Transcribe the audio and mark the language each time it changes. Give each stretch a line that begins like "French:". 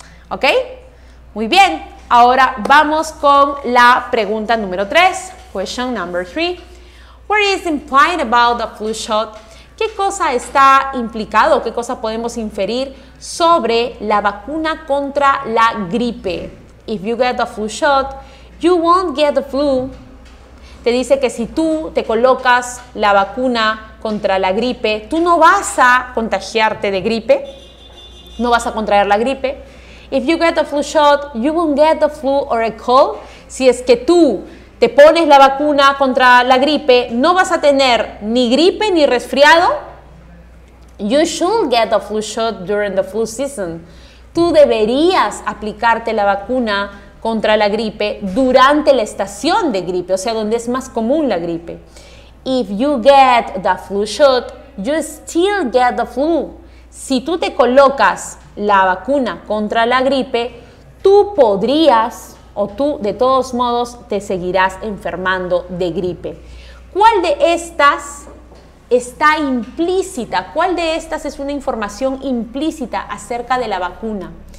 Spanish: ¿Ok? Muy bien. Ahora vamos con la pregunta número 3.
English: Question number 3. What is implied about the flu shot?
Spanish: ¿Qué cosa está implicado? ¿Qué cosa podemos inferir sobre la vacuna contra la gripe?
English: If you get the flu shot, you won't get the flu.
Spanish: Te dice que si tú te colocas la vacuna contra la gripe, tú no vas a contagiarte de gripe, no vas a contraer la gripe.
English: If you get a flu shot, you won't get the flu or a cold.
Spanish: Si es que tú te pones la vacuna contra la gripe, no vas a tener ni gripe ni resfriado.
English: You should get a flu shot during the flu season.
Spanish: Tú deberías aplicarte la vacuna contra la gripe durante la estación de gripe, o sea, donde es más común la gripe.
English: If you get the flu shot, you still get the flu.
Spanish: Si tú te colocas la vacuna contra la gripe, tú podrías o tú de todos modos te seguirás enfermando de gripe. ¿Cuál de estas está implícita? ¿Cuál de estas es una información implícita acerca de la vacuna?